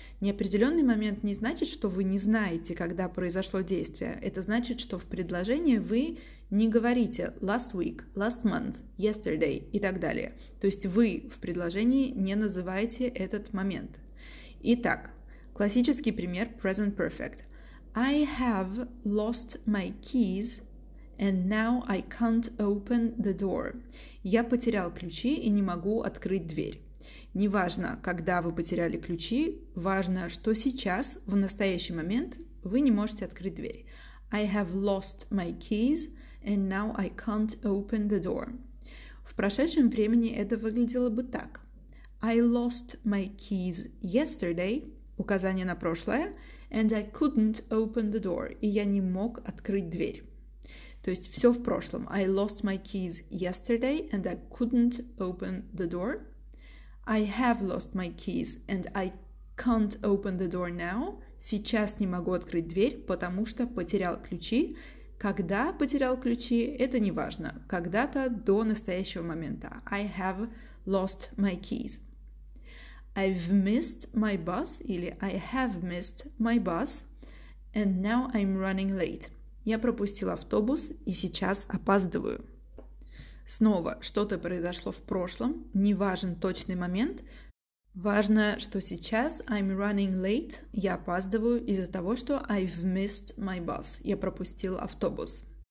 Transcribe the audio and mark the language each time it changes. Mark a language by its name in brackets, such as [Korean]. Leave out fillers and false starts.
[Russian] Неопределенный момент не значит, что вы не знаете, когда произошло действие. Это значит, что в предложении вы не говорите [English] last week, last month, yesterday [Russian] и так далее. То есть вы в предложении не называете этот момент. Итак, классический пример present perfect. [English] I have lost my keys and now I can't open the door. [Russian] Я потерял ключи и не могу открыть дверь. Неважно, когда вы потеряли ключи, важно, что сейчас, в настоящий момент, вы не можете открыть дверь. [English] I have lost my keys and now I can't open the door. [Russian] В прошедшем времени это выглядело бы так. [English] I lost my keys yesterday, [Russian] указание на прошлое, [English] and I couldn't open the door, [Russian] и я не мог открыть дверь. То есть все в прошлом. [English] I lost my keys yesterday and I couldn't open the door. I have lost my keys and I can't open the door now. [Russian] Сейчас не могу открыть дверь, потому что потерял ключи. Когда потерял ключи, это не важно. Когда-то до настоящего момента. [English] I have lost my keys. I've missed my bus [Russian] или [English] I have missed my bus and now I'm running late. [Russian] Я пропустил автобус и сейчас опаздываю. Снова, что-то произошло в прошлом, не важен точный момент. Важно, что сейчас [English] I'm running late, [Russian] я опаздываю из-за того, что [English] I've missed my bus, [Russian] я пропустил автобус.